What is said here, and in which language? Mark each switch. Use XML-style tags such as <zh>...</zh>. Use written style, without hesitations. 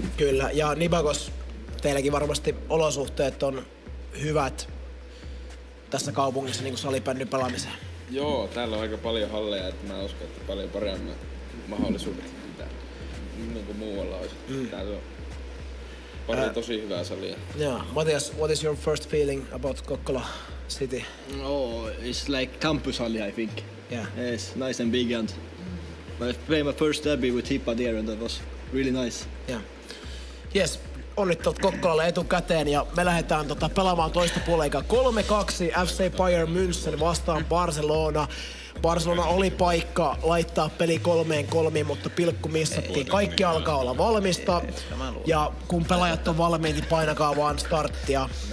<fi>Kyllä, ja Nibakos, teilläkin varmasti olosuhteet on hyvät tässä kaupungissa niin kuin salibändyn pelaamiseen. Joo, täällä on aika paljon halleja, että mä uskon, että paljon paremmat mahdollisuudet mitä niin kuin muualla olisi. Täällä on paljon tosi hyvää salia.</fi> <en>Yeah. Matias, what is your first feeling about Kokkola City? Oh, it's like campus hall, I think. Yeah. Yes, nice and big and I played my first derby with Hippa there and that was really nice. Yeah. Yes.</en> <fi>Onnittelut Kokkolalle etukäteen ja me lähdetään tota pelaamaan toista puoliaikaa. 3-2 FC Bayern München vastaan Barcelona. Barcelona oli paikka laittaa peli 3-3, mutta pilkku missattiin. Kaikki alkaa olla valmista. Ja kun pelaajat on valmiit, niin painakaa vaan starttia.</fi>